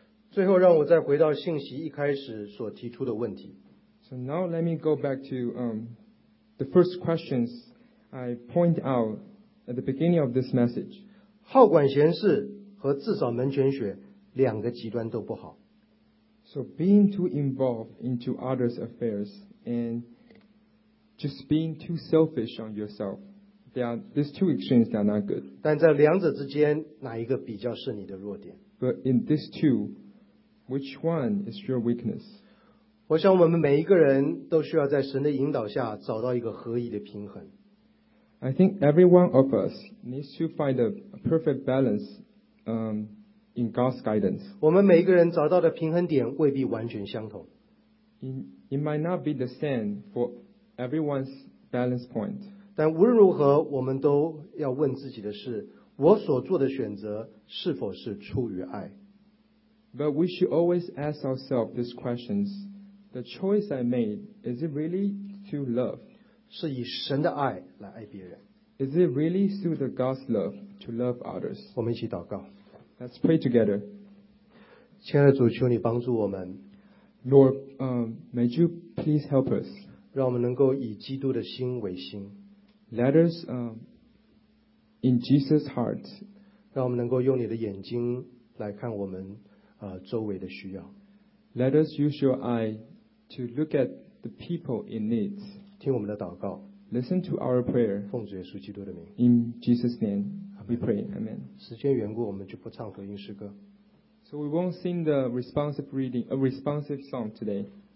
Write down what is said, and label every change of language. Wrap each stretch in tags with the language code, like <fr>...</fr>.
<zh>最后让我再回到信息一开始所提出的问题。</zh> <en>So now let me go back to the first questions I point out at the beginning of this message.</en> <zh>好管闲事和自扫门前雪两个极端都不好。</zh> <en>So being too involved into others' affairs and just being too selfish on yourself, these two extremes are not good.</en> <zh>但在两者之间哪一个比较是你的弱点？</zh> <en>But in these two,Which one is your weakness?</en> <zh>我想我们每一个人都需要在神的引导下找到一个合宜的平衡。</zh> <en>I think every one of us needs to find a perfect balance, in God's guidance.</en> <zh>我们每一个人找到的平衡点未必完全相同。</zh> <en>It might not be the same for everyone's balance point.</en> <zh>但无论如何，我们都要问自己的是：我所做的选择是否是出于爱？</zh> <en>But we should always ask ourselves these questions. The choice I made, is it really to love?</en> <zh>是以神的爱来爱别人。</zh> <en>Is it really through the God's love to love others?</en> <zh>我们一起祷告。</zh> <en>Let's pray together.</en> <zh>亲爱的主，求你帮助我们。</zh> <en>Lord, may you please help us.</en> <zh>让我们能够以基督的心为心。</zh> <en>Let us, in Jesus' heart.</en> <zh>让我们能够用你的眼睛来看我们周围的需要。</zh> <en>Let us use your eye to look at the people in need.</en> <zh>听我们的祷告。</zh> <en>Listen to our prayer.</en> <zh>奉主耶稣基督的名。</zh> <en>In Jesus' name, we pray. Amen.</en> <zh>时间缘故，我们就不唱合音诗歌。</zh> <en>So we won't sing the responsive reading, a responsive song today.</en>